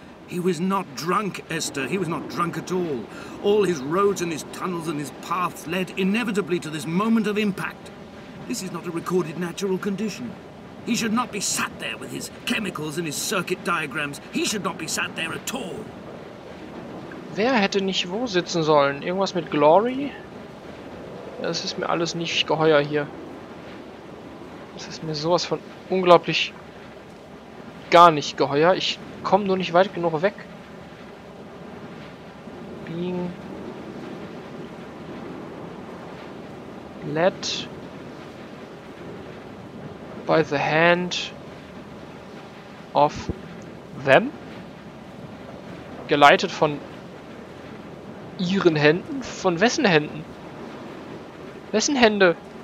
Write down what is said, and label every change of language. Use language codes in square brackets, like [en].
[en] He was not drunk, Esther. He was not drunk at all. All his roads and his tunnels and his paths led inevitably to this moment of impact. This is not a recorded natural condition. He should not be sat there with his chemicals and his circuit diagrams. He should not be sat there at all. [de] Wer hätte nicht wo sitzen sollen? Irgendwas mit Glory? Das ist mir alles nicht geheuer hier. Das ist mir sowas von unglaublich gar nicht geheuer. Ich... Komm nur nicht weit genug weg. [en] Being led by the hand of them. [de] Geleitet von ihren Händen? Von wessen Händen? Wessen Hände?